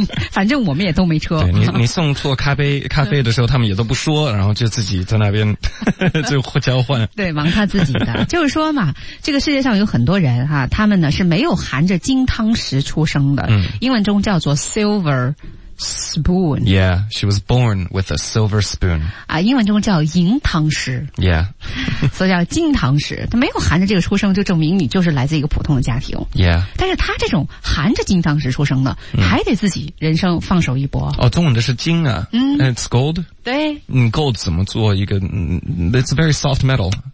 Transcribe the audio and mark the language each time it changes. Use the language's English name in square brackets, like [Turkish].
[Chinese] 反正我们也都没车。对，你送错咖啡的时候他们也都不说，然后就自己在那边就交换。对，忙他自己的。就是说嘛，这个世界上有很多人啊，他们呢是没有含着金汤匙出生的。英文中叫做 silver spoon。 [English] Yeah, she was born with a silver spoon. [Chinese] 啊，英文中叫银汤匙。 Yeah. 所以叫金汤匙。他没有含着这个出生，就证明你就是来自一个普通的家庭。 Yeah. 但是他这种含着金汤匙出生的，还得自己人生放手一搏。哦，中文的是金啊。 [English] It's gold. [Chinese] 对。 [English] Gold [Chinese] 怎么做一个 [English] it's a very soft metal.